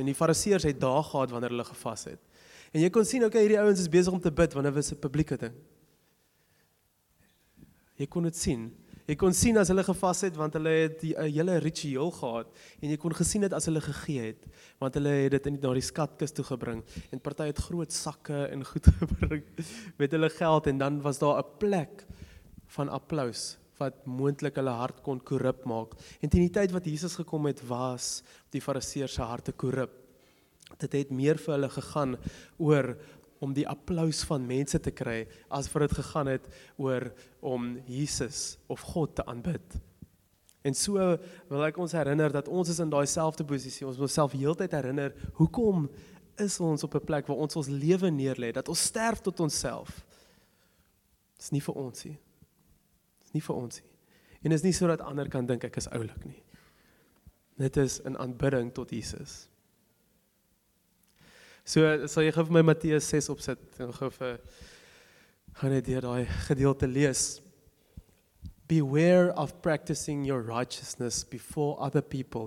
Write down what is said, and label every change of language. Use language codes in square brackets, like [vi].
[af] En die fariseers het daag gehad wanneer hulle gevas het. En jy kon sien, okay, hierdie ouens is besig om te bid wanneer was 'n publieke ding. Jy kon dit sien. Jy kon sien as hulle gevas het, want hulle het 'n hele ritueel gehad. En jy kon gesien het as hulle gegee het, want hulle het dit na die skatkis toe gebring. En party het groot sakke en goed gebring met hulle geld. En dan was daar 'n plek van applous, wat moontlik hulle hart kon korrup maak. En ten die tyd wat Jesus gekom het, was die fariseers se harte korrup. Dit het meer vir hulle gegaan oor om die applous van mense te kry, as vir dit gegaan het oor om Jesus of God te aanbid. En so wil ek ons herinner dat ons is in daai selfde posisie. Ons moet self heeltyd herinner, hoekom is ons op 'n plek waar ons lewe neerlê, dat ons sterf tot onsself? Dit is nie vir ons nie. Dit is nie vir ons nie. En is nie so dat ander kan dink ek is oulik nie. Dit is 'n aanbidding tot Jesus. So sal jy gou vir my Matteus 6 opsit en gou vir gaan net deur daai gedeelte lees. [en] Beware of practicing your righteousness before other people.